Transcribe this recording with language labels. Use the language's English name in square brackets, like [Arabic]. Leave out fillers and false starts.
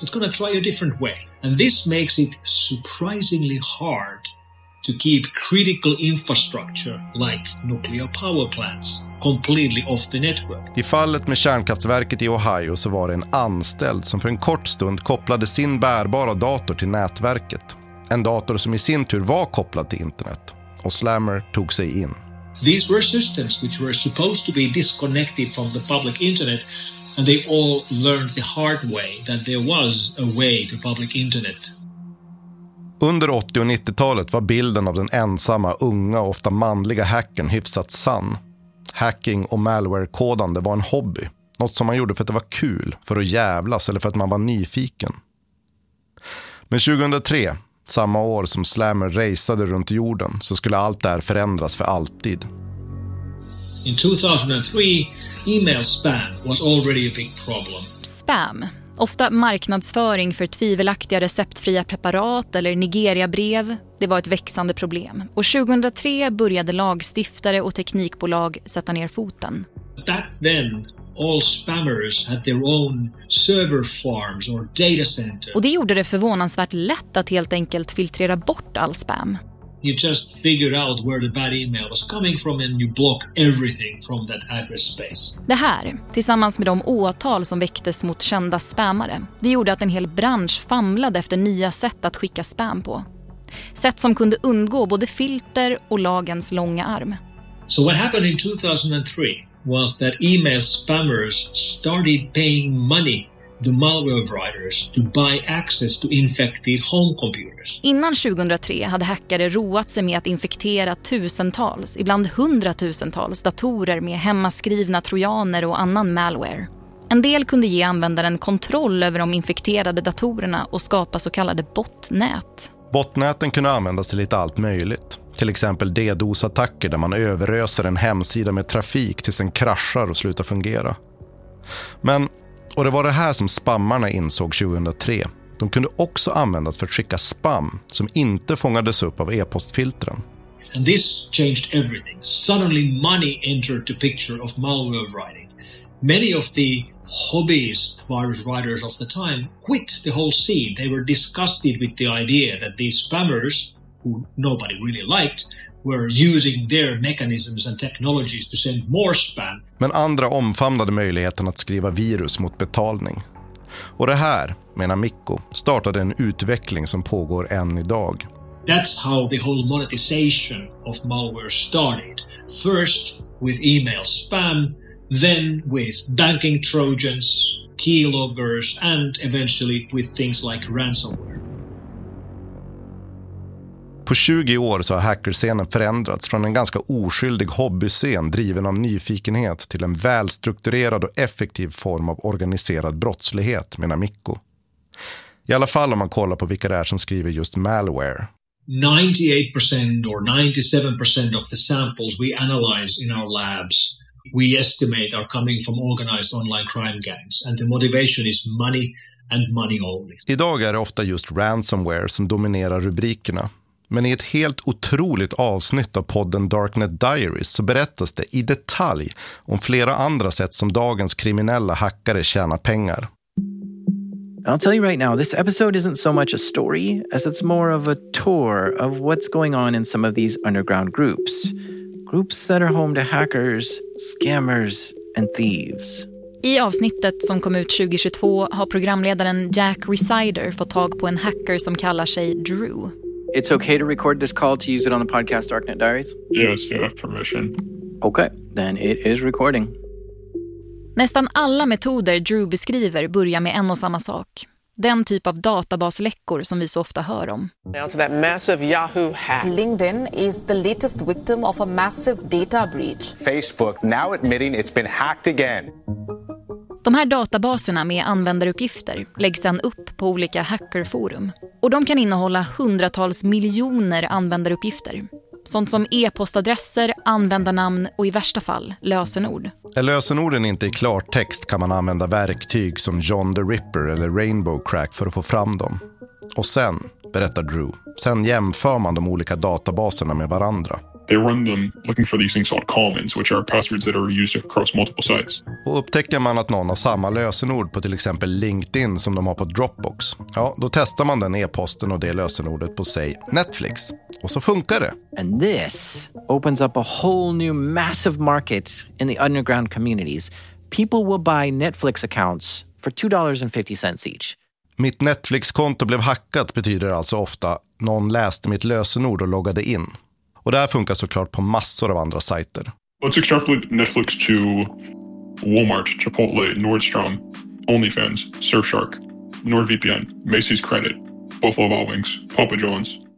[English] It's going to try a different way. And this makes it surprisingly hard to keep critical infrastructure like nuclear power plants completely off the network. [Swedish] I fallet med kärnkraftverket i Ohio så var det en anställd som för en kort stund kopplade sin bärbara dator till nätverket. En dator som i sin tur var kopplad till internet. Och Slammer tog sig in. [English] These were systems which were supposed to be disconnected from the public internet. And they all learned the hard way that there was a way to public internet. [Swedish] Under 80- och 90-talet var bilden av den ensamma, unga, ofta manliga hackern hyfsat sann. Hacking och malware-kodande var en hobby. Något som man gjorde för att det var kul, för att jävlas eller för att man var nyfiken. Men 2003, samma år som Slammer rejsade runt jorden, så skulle allt där förändras för alltid. [English] In 2003, email spam was already a big problem. [Swedish] Spam, ofta marknadsföring för tvivelaktiga receptfria preparat eller Nigeria-brev, det var ett växande problem. Och 2003 började lagstiftare och teknikbolag sätta ner foten. [English] Back then, all spammers had their own server farms or data center. [Swedish] Och det gjorde det förvånansvärt lätt att helt enkelt filtrera bort all spam. [English] You just figured out where the bad email was coming from and you block everything from that address space. [Swedish] Det här, tillsammans med de åtal som väcktes mot kända spammare, det gjorde att en hel bransch famlade efter nya sätt att skicka spam på. Sätt som kunde undgå både filter och lagens långa arm. [English] So what happened in 2003 was that email spammers started paying money the malware writers to buy access to infected home computers. [Swedish] Innan 2003 hade hackare roat sig med att infektera tusentals, ibland hundratusentals datorer med hemmaskrivna trojaner och annan malware. En del kunde ge användaren kontroll över de infekterade datorerna och skapa så kallade botnät. Botnäten kunde användas till lite allt möjligt. Till exempel DDoS-attacker där man överöser en hemsida med trafik tills den kraschar och slutar fungera. Men och det var det här som spammarna insåg 2003. De kunde också användas för att skicka spam som inte fångades upp av e-postfiltren. [English] And this changed everything. Suddenly money entered the picture of malware writing. Many of the hobbyist virus writers of the time quit the whole scene. They were disgusted with the idea that these spammers, who nobody really liked, were using their mechanisms and technologies to send more spam. [Swedish] Men andra omfamnade möjligheten att skriva virus mot betalning. Och det här, menar Mikko, startade en utveckling som pågår än idag. [English] That's how the whole monetization of malware started. First with email spam, then with banking trojans, keyloggers and eventually with things like ransomware. [Swedish] På 20 år så har hackerscenen förändrats från en ganska oskyldig hobbyscen driven av nyfikenhet till en välstrukturerad och effektiv form av organiserad brottslighet, menar Mikko. I alla fall om man kollar på vilka det är som skriver just malware. [English] 98% or 97% of the samples we analyze in our labs we estimate are coming from organized online crime gangs and the motivation is money and money only. [Swedish] Idag är det ofta just ransomware som dominerar rubrikerna. Men i ett helt otroligt avsnitt av podden Darknet Diaries så berättas det i detalj om flera andra sätt som dagens kriminella hackare tjänar pengar. [English] I'll tell you right now, this episode isn't so much a story as it's more of a tour of what's going on in some of these underground groups. Groups that are home to hackers, scammers and thieves. [Swedish] I avsnittet som kom ut 2022 har programledaren Jack Resider fått tag på en hacker som kallar sig Drew. [English] It's okay to record this call to use it on the podcast Darknet Diaries? Yes, you have permission. Okay, then it is recording. [Swedish] Nästan alla metoder Drew beskriver börjar med en och samma sak. Den typ av databasläckor som vi så ofta hör om. [English] Now to that massive Yahoo hack. LinkedIn is the latest victim of a massive data breach. Facebook now admitting it's been hacked again. [Swedish] De här databaserna med användaruppgifter läggs sedan upp på olika hackerforum. Och de kan innehålla hundratals miljoner användaruppgifter. Sånt som e-postadresser, användarnamn och i värsta fall lösenord. Är lösenorden inte i klartext kan man använda verktyg som John the Ripper eller Rainbow Crack för att få fram dem. Och sen, berättar Drew, sen jämför man de olika databaserna med varandra. [English] They run them looking for these things called commons, which are passwords that are used across multiple sites. [Swedish] Och upptäcker man att någon har samma lösenord på till exempel LinkedIn som de har på Dropbox, ja, då testar man den e-posten och det lösenordet på, [English] say, [Swedish] Netflix. Och så funkar det. [English] And this opens up a whole new massive market in the underground communities. People will buy Netflix accounts for $2.50 each. [Swedish] Mitt Netflix-konto blev hackat betyder alltså ofta någon läste mitt lösenord och loggade in. Och det här funkar såklart på massor av andra sajter. [English] Let's extrapolate Netflix to Walmart, Chipotle, Nordstrom, OnlyFans, Surfshark, NordVPN, Macy's Credit, Buffalo Wild Wings, Papa John's.